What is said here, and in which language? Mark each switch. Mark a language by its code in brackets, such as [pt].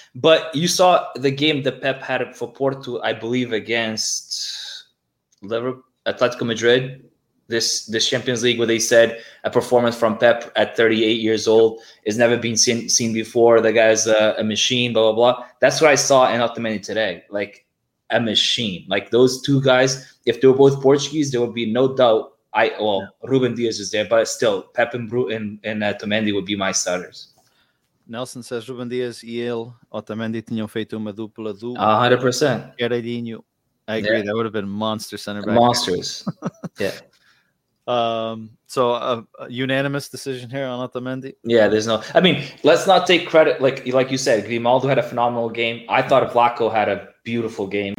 [en] But you saw the game that Pep had for Porto, I believe, against Liverpool, Atletico Madrid, this Champions League, where they said a performance from Pep at 38 years old has never been seen before. The guy's a machine, blah, blah, blah. That's what I saw in Otamendi today, like a machine. Like those two guys, if they were both Portuguese, there would be no doubt. Ruben Dias is there, but still, Pep and Otamendi would be my starters. Nelson says, [pt] Ruben Dias e ele, Otamendi tinham feito uma dupla do... [en] 100%. Geraldinho. I agree, yeah. That would have been monster center back. Monsters, yeah. So a unanimous decision here on Otamendi? Yeah, there's no... I mean, let's not take credit. Like you said, Grimaldo had a phenomenal game. I thought Vlaco had a beautiful game.